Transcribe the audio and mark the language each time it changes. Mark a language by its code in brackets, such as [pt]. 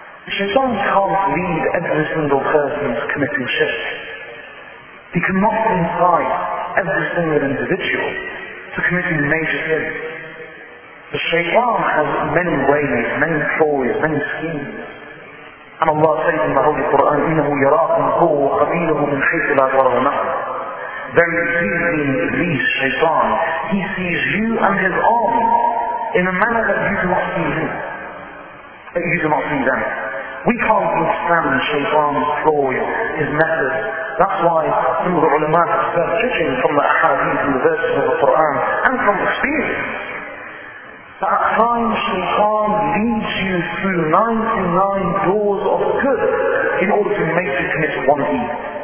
[en] Shaitan can't lead every single person to committing shirk. He cannot incite every single individual to committing major sins. The Shaitan has many ways, many ploys, many schemes. And Allah says in the Holy Quran, [ar] إِنَّهُ يَرَاكُمْ هُوَ وَقَبِيلَهُ مِنْ حَيْثُ لَا تَرَوْنَهُ. [en] Very easily, least Shaitan, he sees you and his army in a manner that you do not see him, that you do not see them. We can't understand Shaytan's ploy, his method. That's why some of the ulama have said, judging from the ahadith and the verses of the Quran, and from experience, that at times Shaytan leads you through 99 doors of good in order to make you commit one evil.